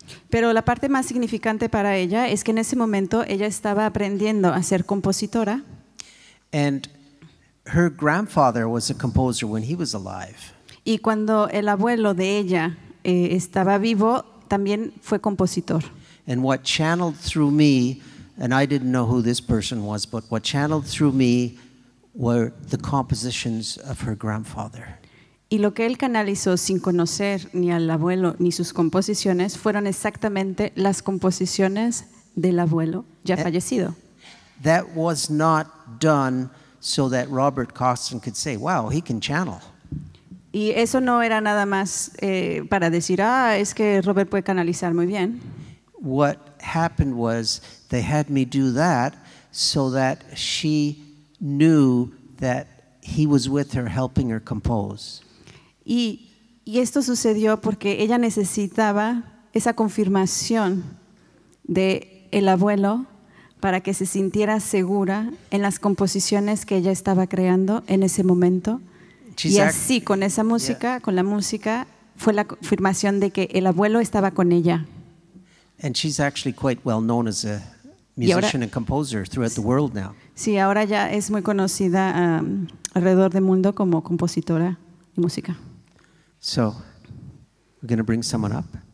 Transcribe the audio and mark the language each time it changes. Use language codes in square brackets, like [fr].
[es] Pero la parte más significante para ella es que en ese momento ella estaba aprendiendo a ser compositora. [en] And her grandfather was a composer when he was alive. [es] Y cuando el abuelo de ella estaba vivo, también fue compositor. [en] And what channeled through me, and I didn't know who this person was, but what channeled through me were the compositions of her grandfather. [es] Y lo que él canalizó sin conocer ni al abuelo ni sus composiciones fueron exactamente las composiciones del abuelo ya fallecido. [en] That was not done so that Robert Costin could say, wow, he can channel. [es] Y eso no era nada más para decir, ah, es que Robert puede canalizar muy bien. [en] What happened was they had me do that so that she knew that he was with her helping her compose. [es] Y esto sucedió porque ella necesitaba esa confirmación de el abuelo para que se sintiera segura en las composiciones que ella estaba creando en ese momento. Y así, con esa música, yeah, con la música, fue la confirmación de que el abuelo estaba con ella. [en] And she's actually quite well known as a musician and composer throughout the world now. [es] Sí, ahora ya es muy conocida alrededor del mundo como compositora y música. [en] So, we're going to bring someone up.